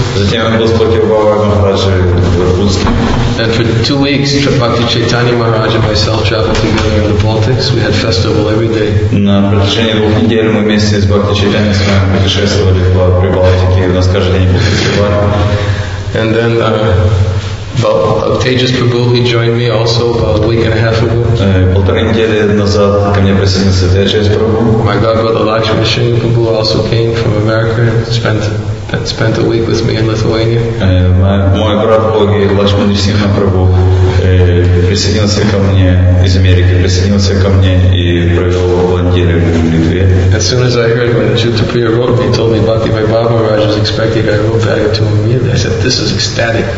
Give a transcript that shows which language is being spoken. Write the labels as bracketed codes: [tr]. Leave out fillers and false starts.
[ru] Затем он был с Бхакти Вайбхава Махараджа в Иркутске. [en] And for 2 weeks, Bhakti Chaitanya Maharaj and myself traveled together in the Baltics. We had festival every day. [ru] На протяжении 2 недель мы вместе с Бхакти Чайтани путешествовали по Прибалтике. У нас каждый день был фестиваль. [en] And then Tejas Prabhu, he joined me also about a week and a half ago. [ru] Полторы недели назад ко мне присоединился Tejas Prabhu. [en] My godbrother Lakshmi Srinivas Prabhu also came from America and spent a week with me in Lithuania. [ru] Мой брат Боги Лакшмани Сингха Прабху присоединился ко мне из Америки, присоединился ко мне и провел неделю в Литве. [en] As soon as I heard when Jyoti Priya wrote me, told me Bhakti Vaibhava Maharaj was expecting, I wrote back to him immediately. I said, this is ecstatic.